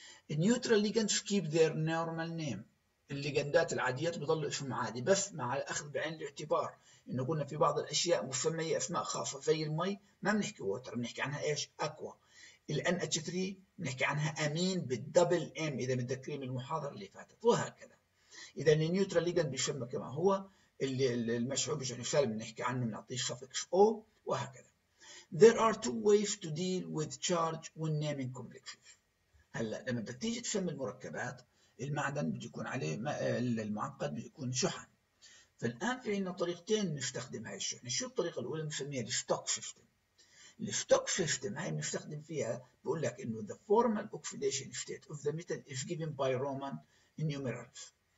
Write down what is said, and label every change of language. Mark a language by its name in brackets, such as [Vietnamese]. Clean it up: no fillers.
[Arabic] النيوترال ليجند كيب ذير نورمال نيم، الليجندات العاديات بضل اسم عادي، بس مع الاخذ بعين الاعتبار انه قلنا في بعض الاشياء مسمية اسماء خاصه زي المي ما بنحكي ووتر، بنحكي عنها ايش؟ اكوا. الان اتش 3 بنحكي عنها امين بالدبل ام، اذا متذكرين المحاضره اللي فاتت، وهكذا. اذا النيوترال ليجند بيسمى كما هو، اللي المشعوب يعني سالب بنحكي عنه بنعطيه suffix او، وهكذا. [English] There are two ways to deal with charge when naming complexes. [Arabic] هلا لما بدك تيجي تسمي المركبات، المعدن بده يكون عليه المعقد بده يكون شحن. فالان في عندنا طريقتين نستخدم هاي الشحن. شو الطريقه الاولى؟ بنسميها الستوك سيستم. الستوك سيستم هاي بنستخدم فيها، بقول لك انه [English] the formal oxidation state of the metal is given by Roman numerals.